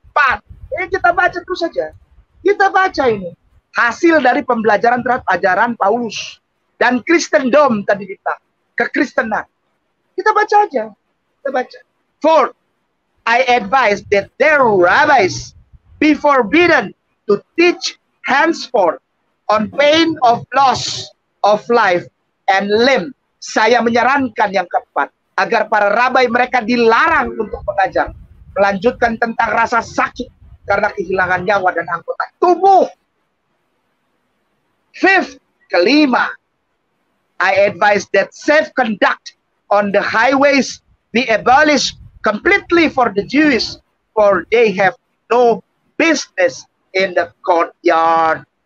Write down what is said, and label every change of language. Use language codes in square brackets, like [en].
[id] Pan, ini kita baca terus saja, kita baca ini hasil dari pembelajaran terhadap ajaran Paulus dan Christendom tadi kita kekristenan, kita baca aja, kita baca. [en] Fourth, I advise that their rabbis be forbidden to teach henceforth on pain of loss of life and limb. [id] Saya menyarankan yang keempat, agar para rabai mereka dilarang untuk mengajar, melanjutkan tentang rasa sakit karena kehilangan nyawa dan anggota tubuh. [en] Fifth, [id] kelima, [en] I advise that safe conduct on the highways be abolished completely for the Jews, for they have no business in the courtyard.